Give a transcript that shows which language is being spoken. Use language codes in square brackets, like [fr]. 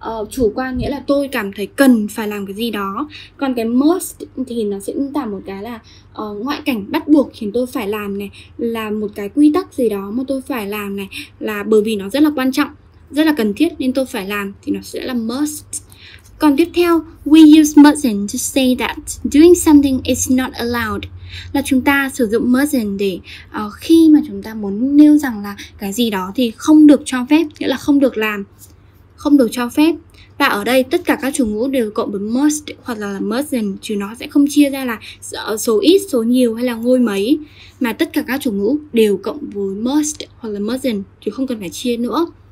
[vi] Chủ quan nghĩa là tôi cảm thấy cần phải làm cái gì đó. Còn cái must thì nó sẽ diễn tả một cái là ngoại cảnh bắt buộc khiến tôi phải làm này, là một cái quy tắc gì đó mà tôi phải làm này, là bởi vì nó rất là quan trọng, rất là cần thiết nên tôi phải làm, thì nó sẽ là must. Còn tiếp theo, [en] we use mustn't to say that doing something is not allowed. [vi] là chúng ta sử dụng mustn't để khi mà chúng ta muốn nêu rằng là cái gì đó thì không được cho phép, nghĩa là không được làm, không được cho phép. Và ở đây tất cả các chủ ngữ đều cộng với must hoặc là mustn't, chứ nó sẽ không chia ra là số ít, số nhiều hay là ngôi mấy, mà tất cả các chủ ngữ đều cộng với must hoặc là mustn't, chứ không cần phải chia nữa.